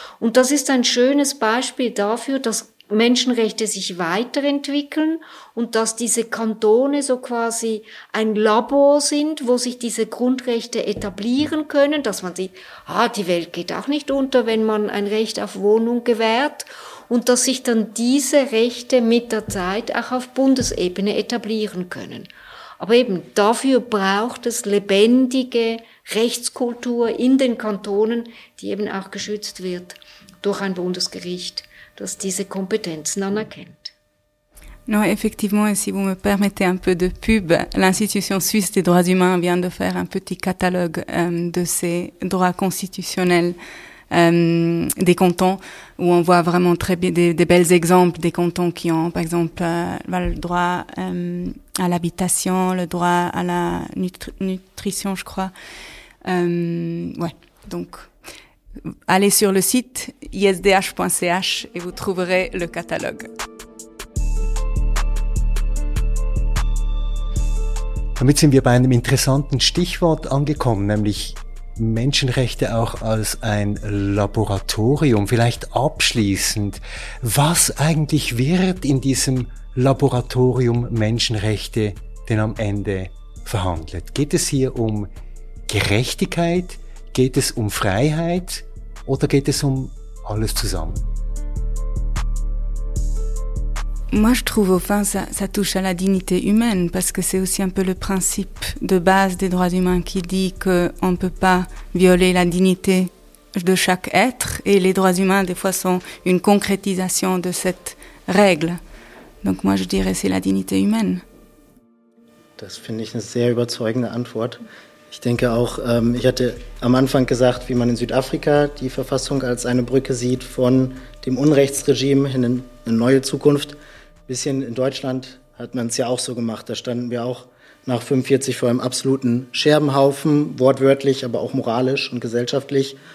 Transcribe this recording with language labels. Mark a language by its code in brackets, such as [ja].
[de] Und das ist ein schönes Beispiel dafür, dass Menschenrechte sich weiterentwickeln und dass diese Kantone so quasi ein Labor sind, wo sich diese Grundrechte etablieren können, dass man sieht, die Welt geht auch nicht unter, wenn man ein Recht auf Wohnung gewährt und dass sich dann diese Rechte mit der Zeit auch auf Bundesebene etablieren können. Aber eben dafür braucht es lebendige Rechtskultur in den Kantonen, die eben auch geschützt wird durch ein Bundesgericht, dass diese Kompetenzen anerkennt. [fr] Non, effectivement, et si vous me permettez un peu de pub, l'Institution suisse des droits humains vient de faire un petit catalogue de ces droits constitutionnels des cantons, où on voit vraiment très bien des belles exemples des cantons qui ont, par exemple, le droit à l'habitation, le droit à la nutrition, je crois. Donc... Allez sur le site isdh.ch et vous trouverez le catalogue. [de] Damit sind wir bei einem interessanten Stichwort angekommen, nämlich Menschenrechte auch als ein Laboratorium. Vielleicht abschließend, was eigentlich wird in diesem Laboratorium Menschenrechte denn am Ende verhandelt? Geht es hier um Gerechtigkeit? Geht es um Freiheit? Oder geht es um alles zusammen? [fr] Moi, je trouve, au fin, ça touche à la dignité humaine, parce que c'est aussi un peu le principe de base des droits humains qui dit qu'on ne peut pas violer la dignité de chaque être, et les droits humains, des fois, sont une concrétisation de cette règle. Donc moi, je dirais, c'est la dignité humaine. [de] Das finde ich eine sehr überzeugende Antwort. Ich denke auch, ich hatte am Anfang gesagt, wie man in Südafrika die Verfassung als eine Brücke sieht von dem Unrechtsregime hin in eine neue Zukunft. Ein bisschen in Deutschland hat man es ja auch so gemacht. Da standen wir auch nach 45 vor einem absoluten Scherbenhaufen, wortwörtlich, aber auch moralisch und gesellschaftlich.